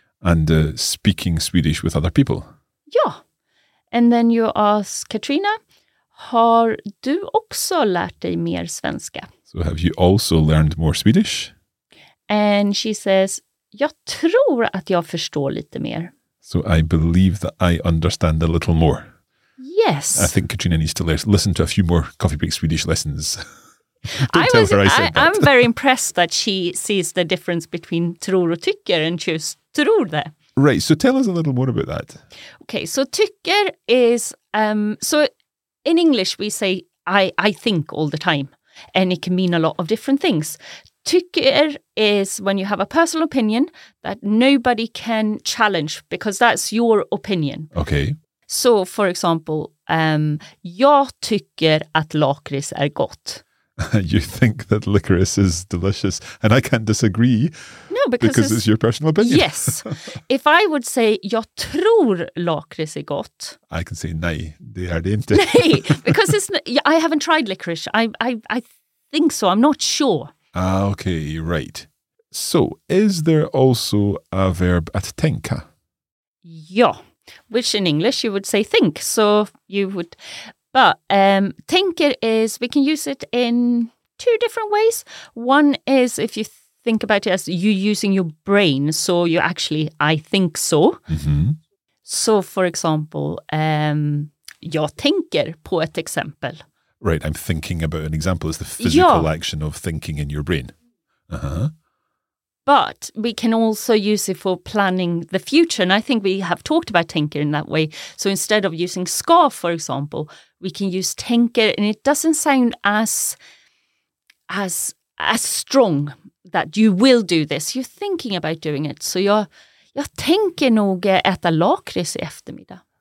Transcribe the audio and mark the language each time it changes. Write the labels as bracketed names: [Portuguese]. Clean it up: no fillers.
[English] And speaking Swedish with other people. [Swedish] Ja. [English] And then you ask Katrina, [Swedish] har du också lärt dig mer svenska? [English] So have you also learned more Swedish? And she says, [Swedish] jag tror att jag förstår lite mer. [English] So I believe that I understand a little more. Yes. I think Katrina needs to listen to a few more Coffee Break Swedish lessons. I'm very impressed that she sees the difference between [Swedish] tror och tycker [English] and choose tror det. Right, so tell us a little more about that. Okay, so tycker is, so in English we say I think all the time, and it can mean a lot of different things. Tycker is when you have a personal opinion that nobody can challenge because that's your opinion. Okay. So for example, [Swedish] jag tycker att lakrits är gott. [English] You think that licorice is delicious, and I can't disagree. No, because it's your personal opinion. Yes. If I would say, [Swedish] jag tror lakrits är gott. I can say, nej, det är det inte. [English] Nej, because I haven't tried licorice. I think so. I'm not sure. Ah, okay, right. So, is there also a verb att tänka? Ja, which in English you would say think. So, you would... But tänker is, we can use it in two different ways. One is if you think about it as you using your brain. So you actually, I think so. Mm-hmm. [Swedish] So for example, jag tänker på ett exempel. [English] Right, I'm thinking about an example. It's the physical action of thinking in your brain. Uh-huh. But we can also use it for planning the future. And I think we have talked about tänker in that way. So instead of using ska, for example, we can use tänker. And it doesn't sound as strong that you will do this. You're thinking about doing it. [Swedish] So jag tänker nog äta lakrits i eftermiddag.